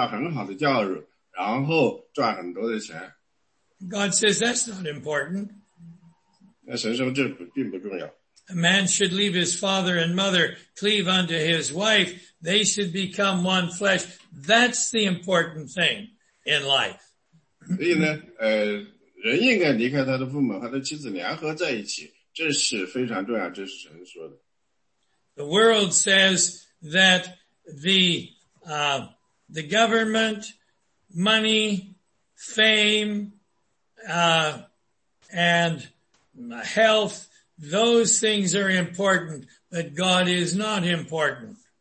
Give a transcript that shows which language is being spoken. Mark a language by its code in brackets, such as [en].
[zh] 所以我们的今天的社会说，一个人呢应该离开他的父母，去上大学，受到很好的教育，然后赚很多的钱。 [en] God says that's not important. [zh] 那神说这并不重要。 [en] A man should leave his father and mother, cleave unto his wife. They should become one flesh. That's the important thing in life. [zh] 所以呢，人应该离开他的父母和他妻子联合在一起。这是非常重要，这是神说的。 [en] The world says that the government, money, fame, and health, those things are important, but God is not important.